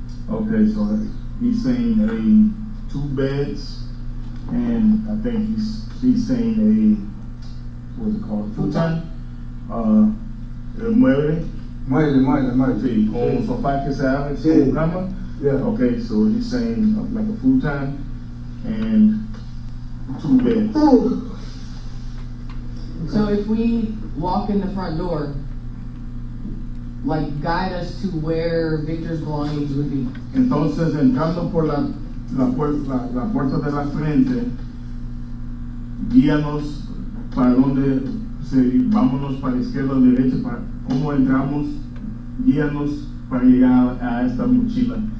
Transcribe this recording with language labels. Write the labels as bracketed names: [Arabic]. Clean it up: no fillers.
[English] Okay, so he's saying two beds. And I think he's saying futon? Mueble? [Spanish] Mueble. Sí, con un sofá que se abre, con un cama. [English] Yeah. Okay, so he's saying like a futon and two beds. So if we walk in the front door, like guide us to where Victor's belongings would be. [Spanish] Entonces, entrando por la puerta de la frente, guíanos para donde vámonos para la izquierda o derecha, para cómo entramos, guíanos para llegar a esta mochila.